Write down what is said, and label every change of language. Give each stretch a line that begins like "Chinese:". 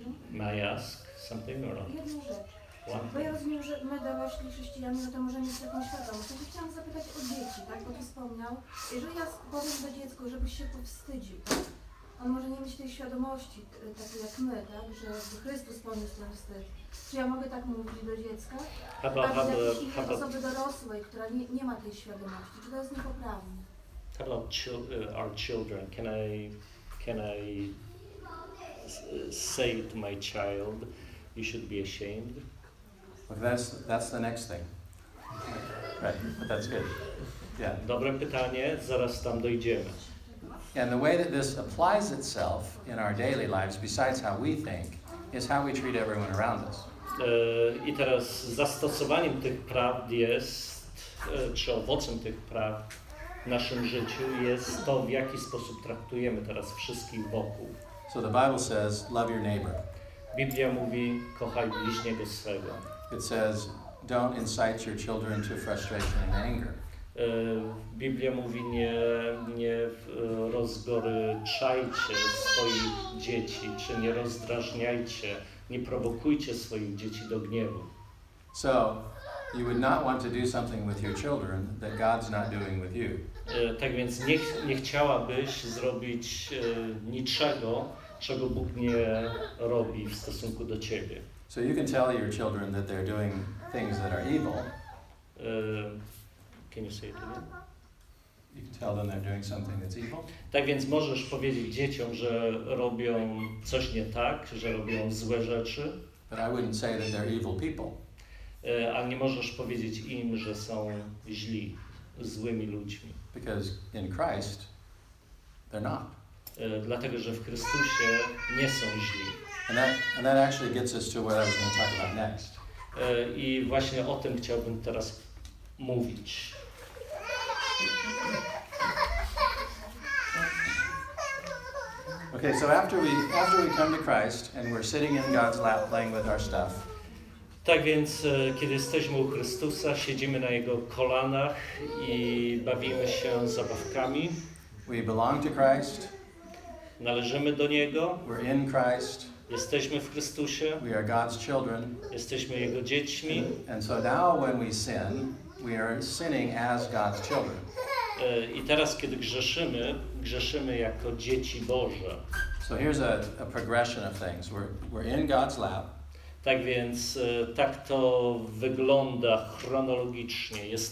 English: may I ask something or not?
Polish: Bo ja rozumiem, że my dorośli chrześcijanie, no to możemy mieć taką świadomość. Ja chciałam zapytać o dzieci, tak? Bo to wspomniał. Jeżeli ja powiem do dziecku, żebyś się powstydził, tak? On może nie mieć tej świadomości, takiej jak my, tak? Że Chrystus poniósł ten wstyd. Czy ja mogę tak mówić do dziecka? Albo osoby dorosłej, która nie ma tej świadomości. Czy to jest niepoprawne?
English: How about our children? Can I say to my child, you should be ashamed? That's the next thing. Right, that's good. Yeah.
Polish: Dobre pytanie, zaraz tam dojdziemy.
English: And the way that this applies itself in our daily lives, besides how we think, is how we treat everyone around us.
Polish: I teraz zastosowaniem tych praw jest, czy owocem tych praw w naszym życiu jest to, w jaki sposób traktujemy teraz wszystkich wokół.
English: So the Bible says, love your neighbor.
Polish: Biblia mówi, kochaj bliźniego swego.
English: It says, don't incite your children to frustration and anger.
Polish: Biblia mówi, nie rozgoryczajcie swoich dzieci, czy nie rozdrażniajcie, nie prowokujcie swoich dzieci do gniewu.
English: So, you would not want to do something with your children that God's not doing with you.
Polish: Tak więc nie chciałabyś zrobić niczego, czego Bóg nie robi w stosunku do ciebie.
English: So you can tell your children that they're doing things that are evil. Can you say it again? You can tell them they're doing something that's evil.
Polish: Tak więc możesz powiedzieć dzieciom, że robią coś nie tak, że robią złe rzeczy.
English: But I wouldn't say that they're evil people.
Polish: A nie możesz powiedzieć im, że są źli, złymi ludźmi.
English: Because in Christ, they're not.
Polish: Dlatego, że w Chrystusie nie są źli.
English: And that actually gets us to what I was going to talk about next.
Polish: I właśnie o tym chciałbym teraz mówić.
English: Okay, so after we come to Christ and we're sitting in God's lap playing with our stuff.
Polish: Tak więc, kiedy jesteśmy u Chrystusa, siedzimy na Jego kolanach i bawimy się zabawkami.
English: We belong to Christ.
Polish: Należymy do Niego.
English: We're in Christ.
Polish: Jesteśmy w Chrystusie.
English: We are God's children.
Polish: Jesteśmy Jego dziećmi.
English: And so now when we sin, we are sinning as God's children.
Polish: I teraz, kiedy grzeszymy, grzeszymy jako dzieci Boże.
English: So here's a progression of things. We're in God's lap.
Polish: Tak więc, tak to wygląda chronologicznie.